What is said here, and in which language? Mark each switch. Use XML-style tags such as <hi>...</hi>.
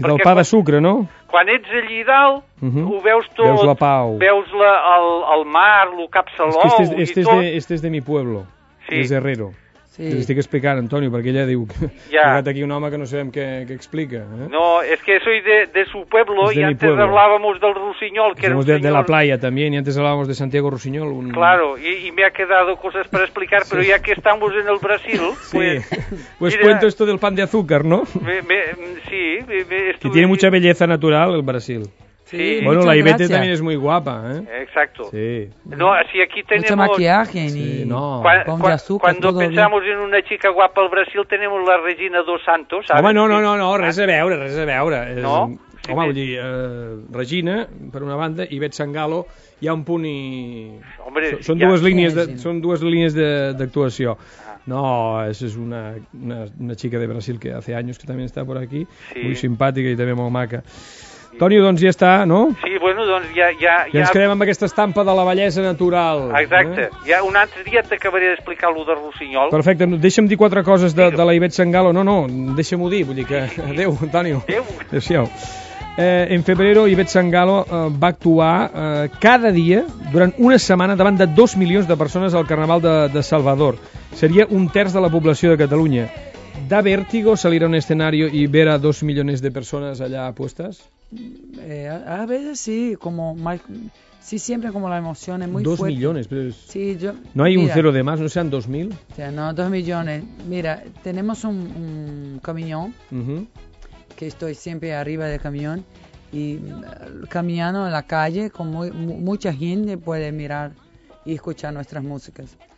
<ca>I del pa de sucre, no? Quan ets allí dalt, ho veus tot. Veus la pau. Veus el mar, el capçalou i tot.</ca> <es>Este és de mi pueblo, de Herrero. Sí.</es> <ca>Estic explicant, Antonio, perquè ella diu que ja. Ha estat aquí un home que no sabem què explica.</ca> <es>No,</es> <ca>és que</ca> <es>soy de su pueblo i antes pueblo. Hablábamos del Rusiñol, que somos</es> <ca>era un senyor...</ca> <es>De la playa, també, i antes hablábamos de Santiago Rusiñol. Un... Claro, y me ha quedado cosas para explicar, sí. Pero ya que estamos en el Brasil... Pues mira, cuento esto del pan de azúcar, ¿no? Sí, tiene mucha belleza natural, el Brasil. Sí, bueno, la Ivete gracia. También es muy guapa, ¿eh? Exacto. Sí. No, si aquí tenemos... Mucho maquillaje y pan de azúcar. Cuando pensamos en una chica guapa al Brasil, tenemos la Regina dos Santos, ¿sabes?</es> <ca>Home, no, res a veure, res a veure. No? Sí, home, vull dir, Regina, per una banda, i Ivete Sangalo, hi ha un punt i...</ca> <es>Hombre,</es> <ca>són dues línies d'actuació.</ca> <es>No, esa es una chica de Brasil que hace años que también está por aquí, sí. Muy simpática y también muy maca.</es> <ca>Antonio, doncs ja està, no? Sí, bueno, doncs ja... I ens quedem amb aquesta estampa de la bellesa natural. Exacte. Eh? Ja un altre dia t'acabaré d'explicar allò de Rusiñol. Perfecte. Deixa'm dir quatre coses de la Ivete Sangalo. No, deixa'm-ho dir. Vull dir que... Sí. Adéu, Antonio. Adéu. Adéu-siau.</ca> <es>En febrero,</es> <ca>Ivete Sangalo va actuar cada dia durant una setmana davant de 2 milions de persones al Carnaval de Salvador. Seria un terç de la població de Catalunya.</ca> <es>¿Da vértigo salir a un escenario y ver a 2 millones de personas allá puestas? A veces sí, como más, sí, siempre como la emoción es muy dos fuerte. Millones, pero es, sí, yo, ¿no hay mira, un cero de más? ¿No sean 2,000? O sea, no, 2 millones. Mira, tenemos un camión, que estoy siempre arriba del camión, y caminando en la calle con mucha gente puede mirar y escuchar nuestras músicas.</es>